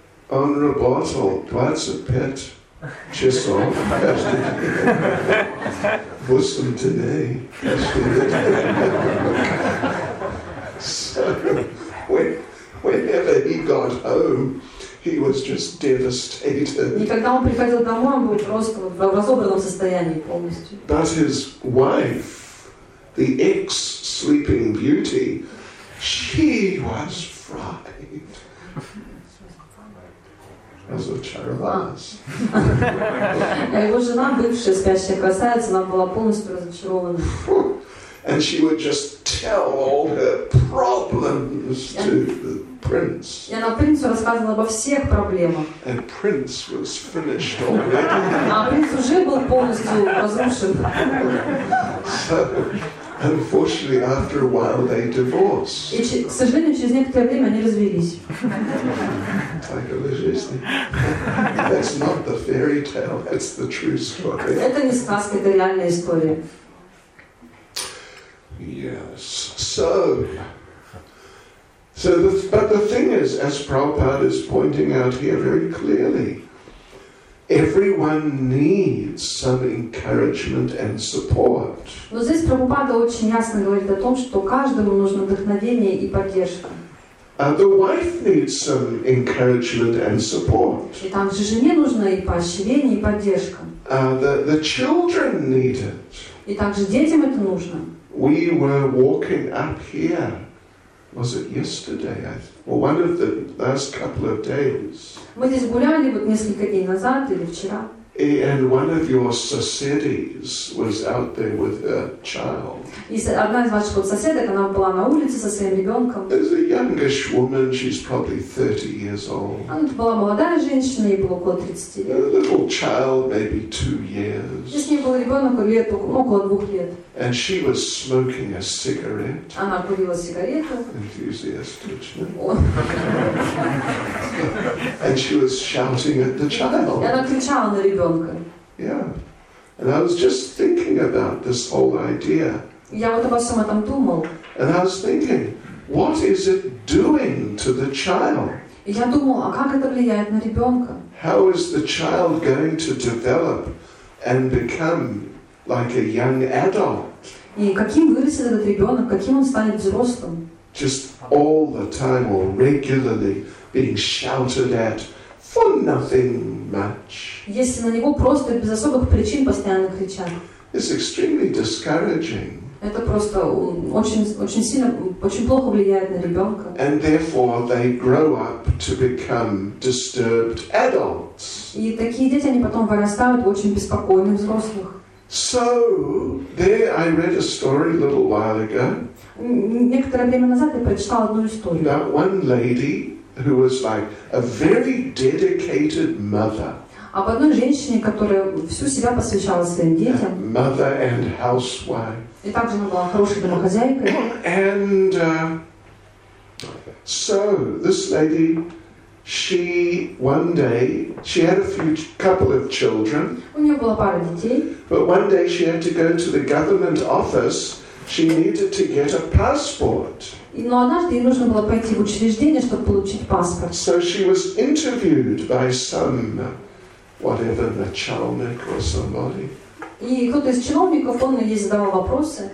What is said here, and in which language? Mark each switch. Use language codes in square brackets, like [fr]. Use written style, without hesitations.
[ru] Он работал 25 часов каждый день. 8 дней каждый день. [en] So, whenever he got home, he was just devastated. [ru] Никогда он приходил домой, он был просто в разобранном состоянии полностью. [en] But his wife, the ex-Sleeping Beauty, she was fried. [ru] Разочаровалась. Его жена, бывшая спящая красавица, она была полностью разочарована. [en] And she would just tell all her problems to the prince. [ru] И она принцу рассказывала обо всех проблемах. [en] And prince was finished already. [ru] А принц уже был полностью разрушен. [en] So, unfortunately, after a while, they divorced. [ru] И, к сожалению, через некоторое время они развелись. Так, жизнь. [en] That's not the fairy tale, that's the true story. [ru] Это не сказка, это реальная история. [en] Yes. But the thing is, as Prabhupada is pointing out here very clearly, everyone needs some encouragement and support. [ru] Но здесь Прабхупада очень ясно говорит о том, что каждому нужно вдохновение и поддержка. [en] The wife needs some encouragement and support. [ru] И также жене нужно и поощрение, и поддержка. [en] The children need it. [ru] И также детям это нужно. [en] We were walking up here, was it yesterday? Or one of the last couple of days. [ru] Мы здесь гуляли вот несколько дней назад или вчера. [en] And one of your соседies was out there with her child. [ru] И одна из ваших соседок, она была на улице со своим ребенком. [en] There's a youngish woman, she's probably 30 years old. [ru] Она была молодая женщина, ей было около 30 лет. [en] A little child, maybe 2 years. [ru] И с ней был ребенок около 2 лет. [en] And she was smoking a cigarette. [ru] Она курила сигарету. [en] Enthusiastically. And she was shouting at the child. [ru] Она кричала на ребенка. [en] Yeah. And I was just thinking about this whole idea. [ru] Я вот обо всем этом думал. [en] And I was thinking, what is it doing to the child? [ru] Я думал, а как это влияет на ребенка? [en] How is the child going to develop and become like a young adult? [ru] И каким вырастет этот ребенок, каким он станет взрослым? [en] Just all the time or regularly being shouted at for nothing much. [ru] Если на него просто без особых причин постоянно кричат. [en] It's extremely discouraging. [ru] Это просто очень сильно, очень плохо влияет на ребенка. [en] And therefore they grow up to become disturbed adults. [ru] И такие дети, они потом вырастают очень беспокойных взрослых. [en] So there, I read a story a little while ago. [ru] Некоторое время назад я прочитала одну историю. [en] About one lady who was like a very dedicated mother. [ru] Об одной женщине, которая всю себя посвящала своим детям. [en] Mother and housewife. [ru] И также она была хорошей домохозяйкой. [en] And so this lady, she one day she had a few couple of children. [ru] У нее было пара детей. [en] But one day she had to go to the government office. She needed to get a passport. [ru] Но однажды ей нужно было пойти в учреждение, чтобы получить паспорт. [en] So she was interviewed by some, whatever, начальник or somebody. [ru] И кто-то из чиновников, он ей задавал вопросы.